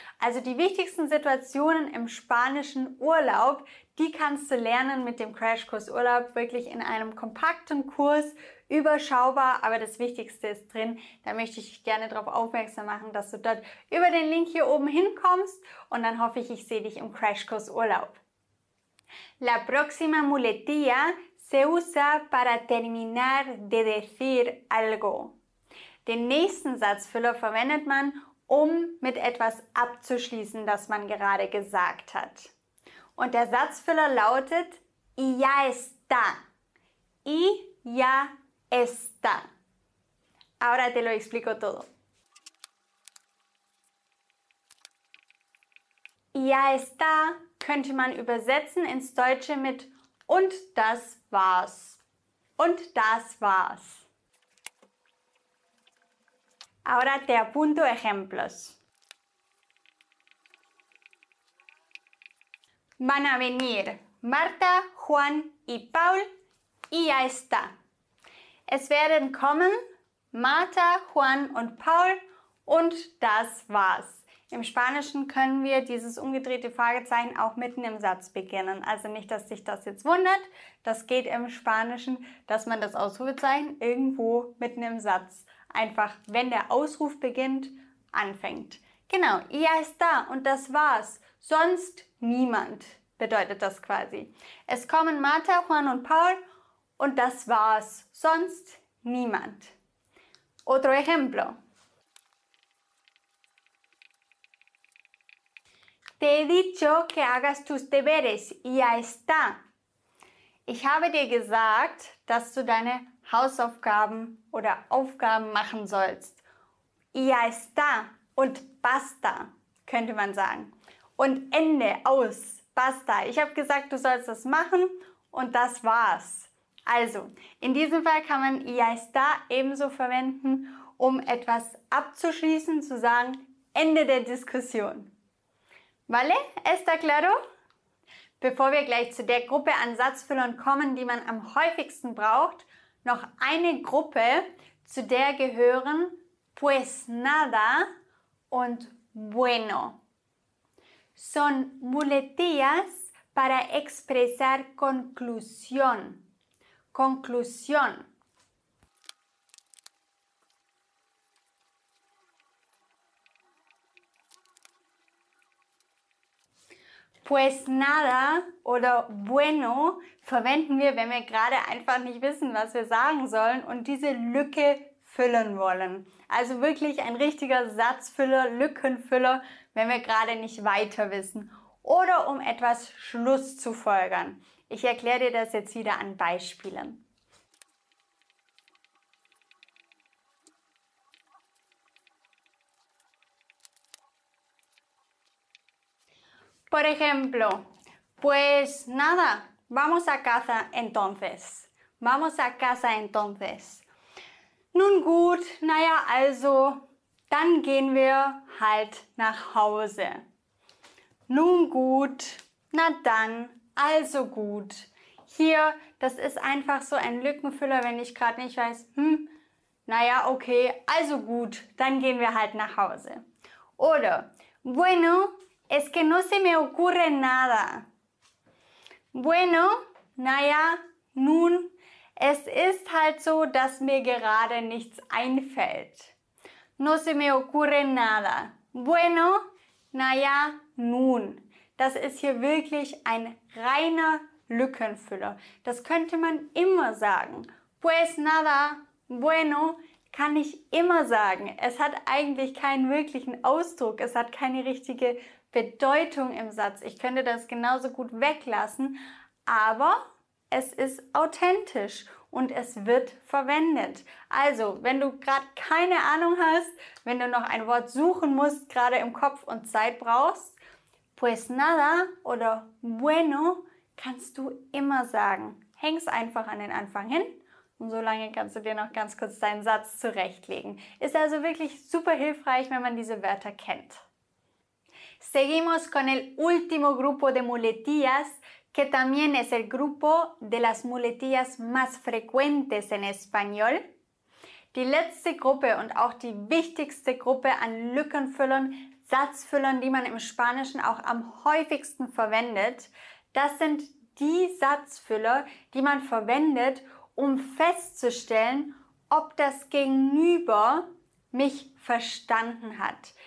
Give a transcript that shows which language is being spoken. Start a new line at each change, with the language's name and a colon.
German: Also die wichtigsten Situationen im spanischen Urlaub, die kannst du lernen mit dem Crashkurs Urlaub wirklich in einem kompakten Kurs. Überschaubar, aber das Wichtigste ist drin. Da möchte ich dich gerne darauf aufmerksam machen, dass du dort über den Link hier oben hinkommst. Und dann hoffe ich sehe dich im Crashkurs Urlaub.
Spanish: La próxima muletilla se usa para terminar de decir algo.
German: Den nächsten Satzfüller verwendet man, um mit etwas abzuschließen, das man gerade gesagt hat. Und der Satzfüller lautet
Spanish: y ya está. Y ya está. Ahora te lo explico todo. Ya está
German: könnte man übersetzen ins Deutsche mit und das war's. Und das war's.
Spanish: Ahora te apunto ejemplos. Van a venir Marta, Juan y Paul y ya está.
German: Es werden kommen Marta, Juan und Paul und das war's. Im Spanischen können wir dieses umgedrehte Fragezeichen auch mitten im Satz beginnen. Also nicht, dass sich das jetzt wundert. Das geht im Spanischen, dass man das Ausrufezeichen irgendwo mitten im Satz einfach, wenn der Ausruf beginnt, anfängt. Genau,
Spanish: ella está
German: und das war's. Sonst niemand bedeutet das quasi. Es kommen Marta, Juan und Paul und das war's. Sonst niemand.
Spanish: Otro ejemplo. Te he dicho que hagas tus deberes. Ya está.
German: Ich habe dir gesagt, dass du deine Hausaufgaben oder Aufgaben machen sollst.
Spanish: Ya está.
German: Und basta, könnte man sagen. Und Ende, aus, basta. Ich habe gesagt, du sollst das machen und das war's. Also, in diesem Fall kann man
Spanish: ya está
German: ebenso verwenden, um etwas abzuschließen, zu sagen, Ende der Diskussion.
Spanish: Vale? ¿Está claro?
German: Bevor wir gleich zu der Gruppe an Satzfüllern kommen, die man am häufigsten braucht, noch eine Gruppe, zu der gehören
Spanish: pues nada
German: und
Spanish: bueno. Son muletillas para expresar conclusión. Conclusión. Pues nada
German: oder
Spanish: bueno
German: verwenden wir, wenn wir gerade einfach nicht wissen, was wir sagen sollen und diese Lücke füllen wollen. Also wirklich ein richtiger Satzfüller, Lückenfüller, wenn wir gerade nicht weiter wissen. Oder um etwas Schluss zu folgern. Ich erkläre dir das jetzt wieder an Beispielen.
Spanish: Por ejemplo, pues nada, vamos a casa entonces. Vamos a casa entonces.
German: Nun gut, naja, also, dann gehen wir halt nach Hause. Nun gut, na dann, also gut. Hier, das ist einfach so ein Lückenfüller, wenn ich gerade nicht weiß, naja, okay, also gut, dann gehen wir halt nach Hause.
Spanish: Oder, bueno, es que no se me ocurre nada. Bueno,
German: naja, nun, es ist halt so, dass mir gerade nichts einfällt.
Spanish: No se me ocurre nada. Bueno,
German: naja, nun. Das ist hier wirklich ein reiner Lückenfüller. Das könnte man immer sagen.
Spanish: Pues nada, bueno,
German: kann ich immer sagen. Es hat eigentlich keinen wirklichen Ausdruck. Es hat keine richtige Bedeutung im Satz. Ich könnte das genauso gut weglassen, aber es ist authentisch und es wird verwendet. Also, wenn du gerade keine Ahnung hast, wenn du noch ein Wort suchen musst, gerade im Kopf und Zeit brauchst,
Spanish: pues nada
German: oder
Spanish: bueno
German: kannst du immer sagen. Häng's einfach an den Anfang hin und so lange kannst du dir noch ganz kurz deinen Satz zurechtlegen. Ist also wirklich super hilfreich, wenn man diese Wörter kennt.
Spanish: Seguimos con el último grupo de muletillas, que también es el grupo de las muletillas más frecuentes en español.
German: Die letzte Gruppe und auch die wichtigste Gruppe an Lückenfüllern, Satzfüllern, die man im Spanischen auch am häufigsten verwendet, das sind die Satzfüller, die man verwendet, um festzustellen, ob das Gegenüber mich verstanden hat.